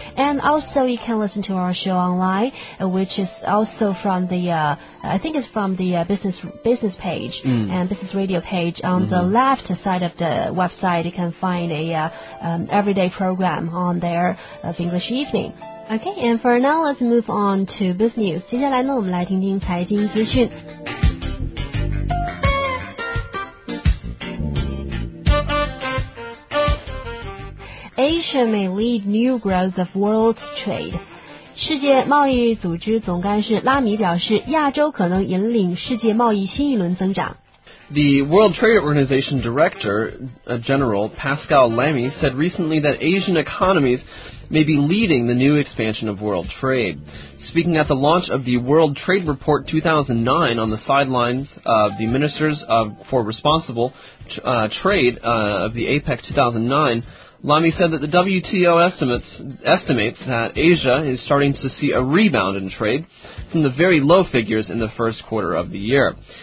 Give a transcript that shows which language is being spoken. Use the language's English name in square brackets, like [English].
[English] And also, you can listen to our show online, which is also from the I think it's from the business page and business radio page. On the left side of the website, you can find a everyday program on there of English Evening. Okay, and for now, let's move on to business. [Chinese] 接下来呢，我们来听听财经资讯。 [English] Asia may lead new growth of world trade. [Chinese] 世界贸易组织总干事拉米表示，亚洲可能引领世界贸易新一轮增长。 [English] The World Trade Organization Director General Pascal Lamy said recently that Asian economies may be leading the new expansion of world trade. Speaking at the launch of the World Trade Report 2009 on the sidelines of the Ministers for Responsible Trade of the APEC 2009,Lamy said that the WTO estimates that Asia is starting to see a rebound in trade from the very low figures in the first quarter of the year.